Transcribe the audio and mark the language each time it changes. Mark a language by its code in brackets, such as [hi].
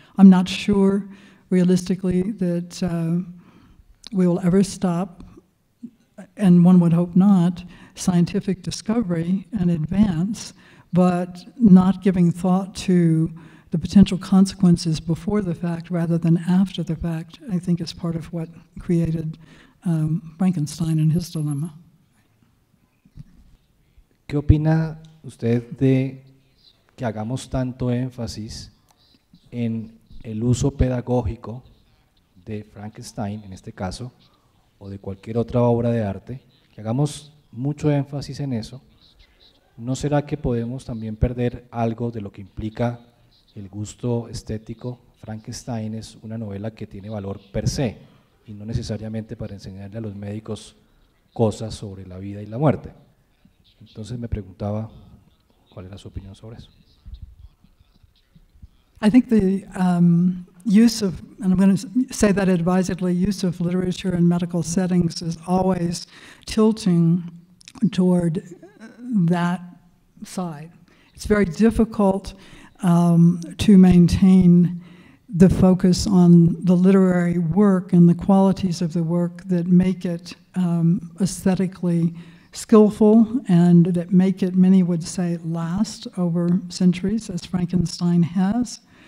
[en] I'm not sure, realistically, that we will ever stop, and one would hope not, scientific discovery and advance, but not giving thought to the potential consequences before the fact rather than after the fact, I think is part of what created Frankenstein and his dilemma. [es] ¿Qué opina usted de que hagamos tanto énfasis en el uso pedagógico de Frankenstein, en este caso, o de cualquier otra obra de arte, que hagamos mucho énfasis en eso? ¿No será que podemos también perder algo de lo que implica el gusto estético? Frankenstein es una novela que tiene valor per se, y no necesariamente para enseñarle a los médicos cosas sobre la vida y la muerte. Entonces me preguntaba cuál era su opinión sobre eso. [en] I think the use of, and I'm going to say that advisedly, use of literature in medical settings is always tilting toward that side. It's very difficult to maintain the focus on the literary work and the qualities of the work that make it aesthetically skillful and that make it, many would say, last over centuries, as Frankenstein has.